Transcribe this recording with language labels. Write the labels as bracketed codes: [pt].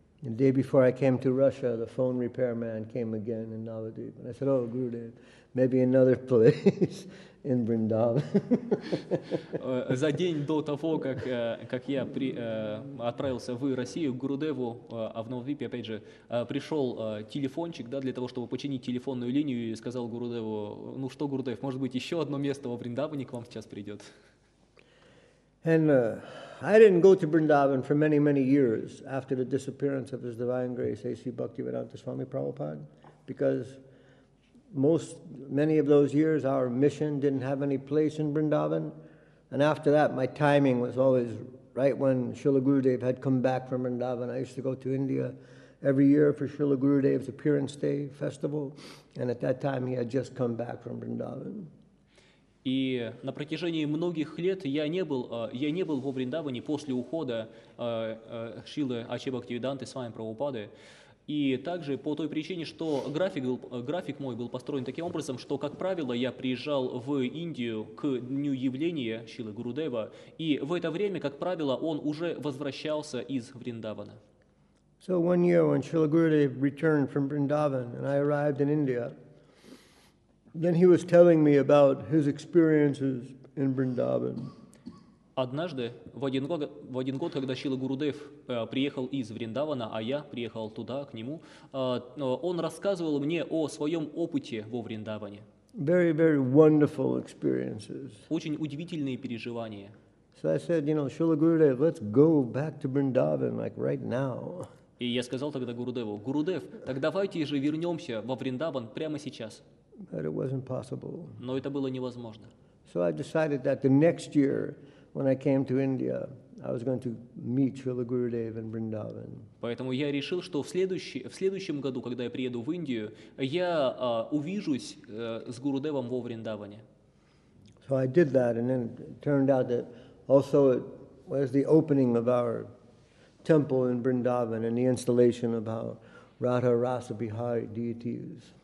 [en] The day before I came to Russia, the phone repair man came again in Navadvip. And I said, oh, Gurudev, maybe another place in Vrindavan. [ru] За день до того, как я отправился в Россию, к Гурудеву, в Навадвипе, опять же, пришел телефончик, да, для того, чтобы починить телефонную линию, и сказал Гурудеву, ну что, Гурудев, может быть, еще одно место во Вриндаване к вам сейчас придет? [en] And I didn't go to Vrindavan for many, many years after the disappearance of His Divine Grace, A.C. Bhaktivedanta Swami Prabhupada, because many of those years our mission didn't have any place in Vrindavan. And after that, my timing was always right when Srila Gurudev had come back from Vrindavan. I used to go to India every year for Srila Gurudev's appearance day festival. And at that time, he had just come back from Vrindavan. [ru] И на протяжении многих лет я не был во Вриндаване после ухода Шрилы Ачхебхактивиданты с вами Прабхупады. И также по той причине, что график мой был построен таким образом, что, как правило, я приезжал в Индию к дню явления Шрилы Гурудева, и в это время, как правило, он уже возвращался из Вриндавана. [en] So one year when Srila Gurudev returned from Vrindavan and I arrived in India, then he was telling me about his experiences in Vrindavan. [ru] Однажды в один год, когда Шрила Гурудев приехал из Вриндавана, а я приехал туда к нему, он рассказывал мне о своем опыте во Вриндаване. [en] Very, very wonderful experiences. [ru] Очень удивительные переживания. [en] So I said, you know, Srila Gurudev, let's go back to Vrindavan like right now. [ru] И я сказал тогда Гурудеву: Гурудев, так давайте же вернемся во Вриндаван прямо сейчас. [en] But it wasn't possible. [ru] Но это было невозможно. [en] So I decided that the next year, when I came to India, I was going to meet Srila Gurudev in Vrindavan. [ru] Поэтому я решил, что в следующем году, когда я приеду в Индию, я увижусь с Гурудевом во Вриндаване. [en] So I did that, and then it turned out that also it was the opening of our temple in Vrindavan and the installation of our Radha Rasa Bihari deities.